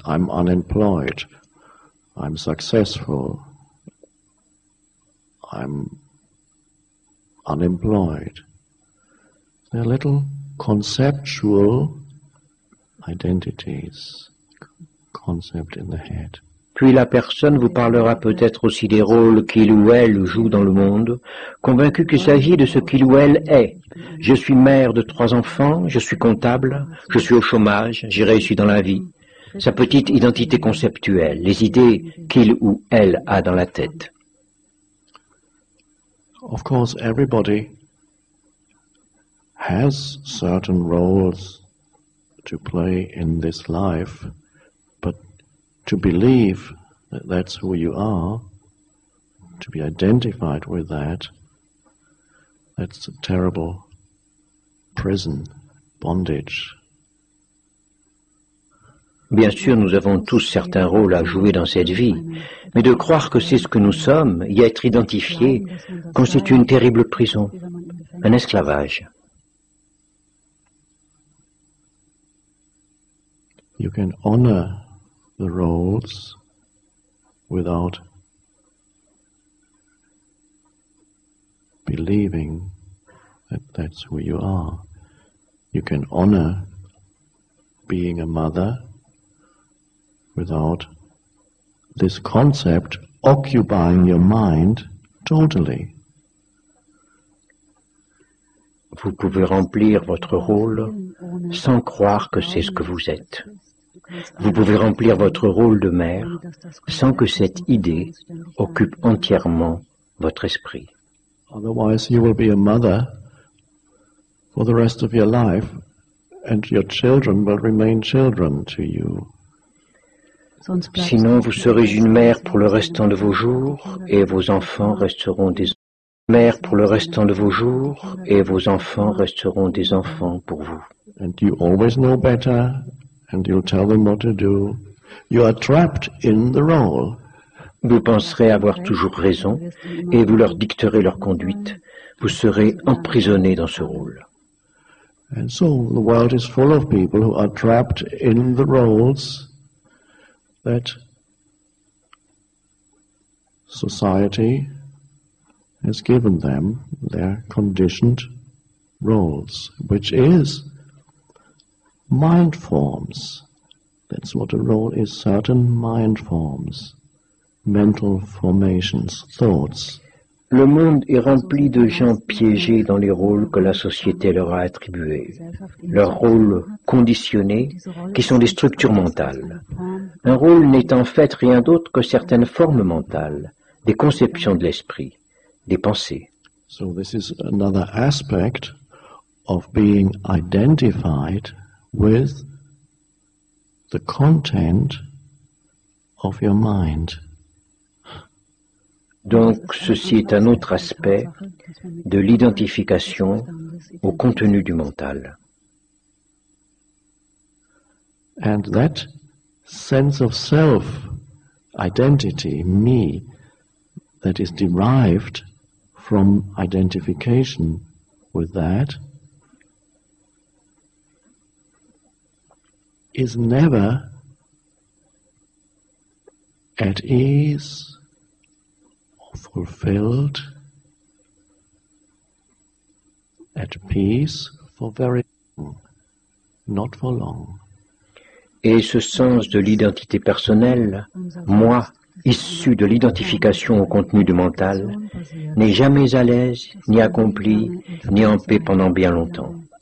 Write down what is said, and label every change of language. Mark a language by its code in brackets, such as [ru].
[en] I'm unemployed. I'm successful. I'm unemployed. They're little conceptual identities, concept in the head. [fr] Puis la personne vous parlera peut-être aussi des rôles qu'il ou elle joue dans le monde, convaincu qu'il s'agit de ce qu'il ou elle est. Je suis mère de trois enfants, je suis comptable, je suis au chômage, j'ai réussi dans la vie. Sa petite identité conceptuelle, les idées qu'il ou elle a dans la tête. [en] Of course, everybody has certain roles to play in this life, but to believe that that's who you are, to be identified with that, that's a terrible prison, bondage. [fr] Bien sûr, nous avons tous certains rôles à jouer dans cette vie, mais de croire que c'est ce que nous sommes, y être identifié, constitue une terrible prison, un esclavage. [en] You can honor the roles without believing that that's who you are. You can honor being a mother without this concept occupying your mind totally. [fr] Vous pouvez remplir votre rôle sans croire que c'est ce que vous êtes. Vous pouvez remplir votre rôle de mère sans que cette idée occupe entièrement votre esprit. [en] Otherwise, you will be a mother for the rest of your life, and your children will remain children to you. [fr] Sinon, vous serez une mère pour le restant de vos jours et vos enfants resteront des mère pour le restant de vos jours et vos enfants resteront des enfants pour vous. [en] And you always know better. And you'll tell them what to do. You are trapped in the role. [fr] Vous penserez avoir toujours raison et vous leur dicterez leur conduite. Vous serez emprisonné dans ce rôle. [en] And so the world is full of people who are trapped in the roles that society has given them, their conditioned roles, which is mind forms. That's what a role is, certain mind forms, mental formations, thoughts. [fr] Le monde est rempli de gens piégés dans les rôles que la société leur a attribués, leurs rôles conditionnés, qui sont des structures mentales. Un rôle n'est en fait rien d'autre que certaines formes mentales, des conceptions de l'esprit, des pensées. [en] So this is another aspect of being identified with the content of your mind. [fr] Donc, ceci est un autre aspect de l'identification au contenu du mental. [en] And that sense of self, identity, me, that is derived from identification with that, is never at ease or fulfilled, at peace for very long, not for long. [fr] Et ce sens de l'identité personnelle, moi, issu de l'identification au contenu du mental, n'est jamais à l'aise, ni accompli, ni en paix pendant bien longtemps.